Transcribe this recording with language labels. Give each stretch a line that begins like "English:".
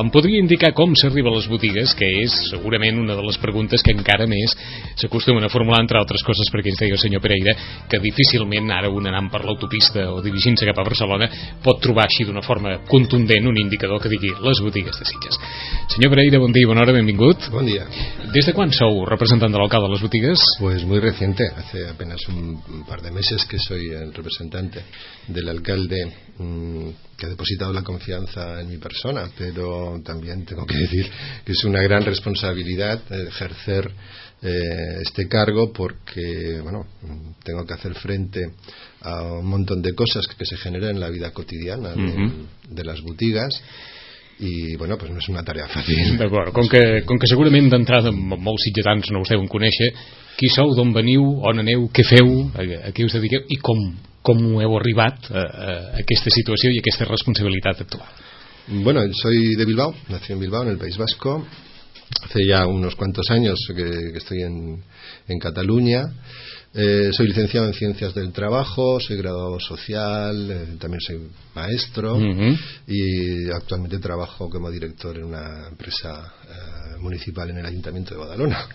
Catalan: Em podria indicar com s'arriba a les botigues, que és segurament una de les preguntes que encara més s'acostumen a formular, entre altres coses perquè ens deia el senyor Pereira que difícilment ara un anant per l'autopista o dirigint-se cap a Barcelona pot trobar així d'una forma contundent un indicador que digui les botigues de Sitges. Senyor Pereira, bon dia i bona hora, benvingut. Bon dia. Des de quan sou representant de l'alcalde de les botigues?
Spanish: Pues muy reciente, hace apenas un par de meses que soy el representante del alcalde que ha depositado la confianza en mi persona, pero también tengo que decir que es una gran responsabilidad ejercer este cargo porque, bueno, tengo que hacer frente a un montón de cosas que se generan en la vida cotidiana de las botigues.
Catalan: I, bueno, pues no és una tarea fàcil. D'acord, com que segurament d'entrada molts sitgetans no us deuen conèixer, qui sou, d'on veniu, on aneu, què feu, a què us dediqueu i com heu arribat a aquesta situació i a aquesta responsabilitat actual?
Spanish: Bueno, soy de Bilbao, nací en Bilbao, en el País Vasco. Hace ya unos cuantos años que estoy en Cataluña. Soy licenciado en Ciencias del Trabajo, soy graduado social, también soy maestro y actualmente trabajo como director en una empresa municipal en el Ayuntamiento de Badalona.